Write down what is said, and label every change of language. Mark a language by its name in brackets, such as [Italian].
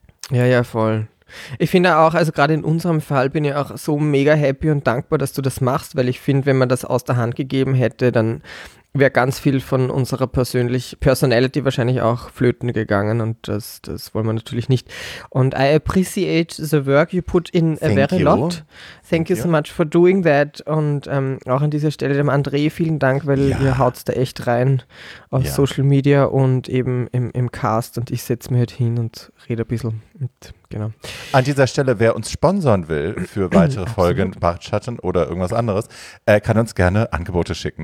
[German] Ja, voll. Ich finde auch, also gerade in unserem Fall bin ich auch so mega happy und dankbar, dass du das machst, weil ich finde, wenn man das aus der Hand gegeben hätte, dann wäre ganz viel von unserer Personality wahrscheinlich auch flöten gegangen und das wollen wir natürlich nicht. Und [English] I appreciate the work you put in a lot. Thank you so much for doing that. [German] Und auch an dieser Stelle dem André vielen Dank, weil ihr haut da echt rein auf Social Media und eben im Cast und ich setze mich halt hin und rede ein bisschen mit. Genau. An dieser Stelle, wer uns sponsern will für weitere Folgen, Bartschatten oder irgendwas anderes, kann uns gerne Angebote schicken.